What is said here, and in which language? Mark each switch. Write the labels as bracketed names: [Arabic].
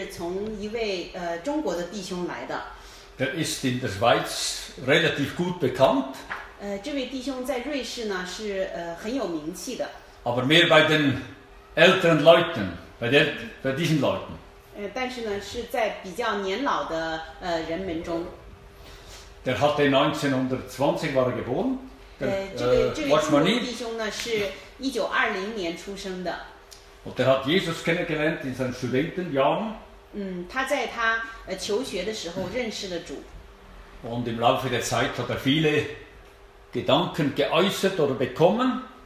[Chinese] 我正道的这个想法呢，是从一位中国的弟兄来的。 [German] Der ist in der Schweiz relativ gut bekannt. [Chinese] 这位弟兄在瑞士呢是很有名气的。 [German] Aber mehr bei den älteren Leuten, bei diesen Leuten. [Chinese] 但是呢是在比较年老的人们中。 [German] Der hatte 1920 war er geboren. [Chinese] 这位弟兄呢是1920年出生的。 [German] Und der hat Jesus kennengelernt in seinen Studentenjahren. [Chinese] 他在他求学的时候认识了主。 [German] Und im Laufe der Zeit hat er viele Gedanken geäußert oder bekommen.